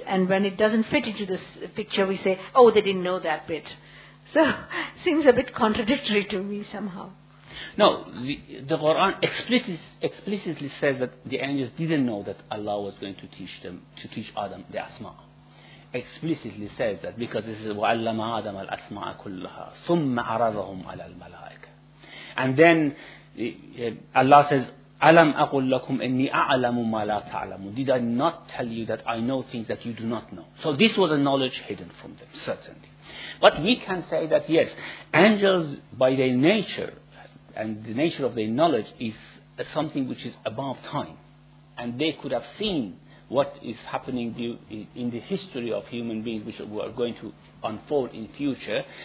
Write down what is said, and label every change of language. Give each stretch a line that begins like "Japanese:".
English: And when it doesn't fit into this picture, we say, oh, they didn't know that bit. So seems a bit contradictory to me somehow. No, the Quran explicitly says that the angels didn't know that Allah was going to teach Adam the Asma. Explicitly says that, because this is
Arabic: وَعَلَّمَ عَدَمَ الْأَسْمَعَ كُلَّهَا ثُمَّ عَرَضَهُمْ عَلَى الْمَلَائِكَ.
English: And then Allah says,
Arabic: أَلَمْ أَقُلْ لَكُمْ إِنِّي أَعْلَمُ مَا لَا تَعْلَمُ.
English: Did I not tell you that I know things that you do not know? So this was a knowledge hidden from them, certainly. But we can say that, yes, angels by their nature, and the nature of their knowledge is something which is above time. And they could have seen what is happening in the history of human beings which are going to unfold in future.